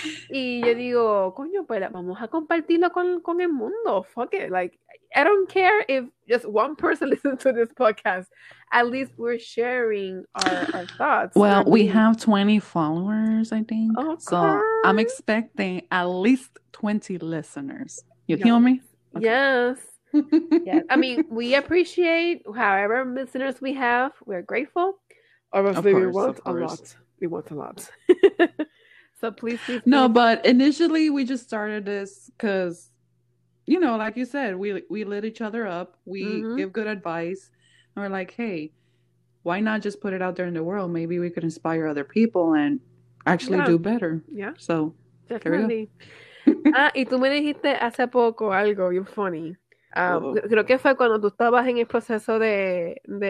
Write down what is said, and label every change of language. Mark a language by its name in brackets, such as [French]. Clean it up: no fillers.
[Spanish] Y yo digo, coño, pues vamos a compartirlo con el mundo. [English] Fuck it. Like, I don't care if just one person listens to this podcast. At least we're sharing our thoughts. Well, we have 20 followers, I think. Okay. So I'm expecting at least 20 listeners. You feel me? Okay. Yes. Yes. I mean, we appreciate however listeners we have. We're grateful. Obviously, we want a lot. We want a lot. So please. No, but initially we just started this because, you know, like you said, we lit each other up. We give good advice. And we're like, hey, why not just put it out there in the world? Maybe we could inspire other people and actually do better. Yeah. So, [Spanish] definitely. Ah, y tú me dijiste hace poco algo bien funny. Creo que fue cuando tú estabas en el proceso de...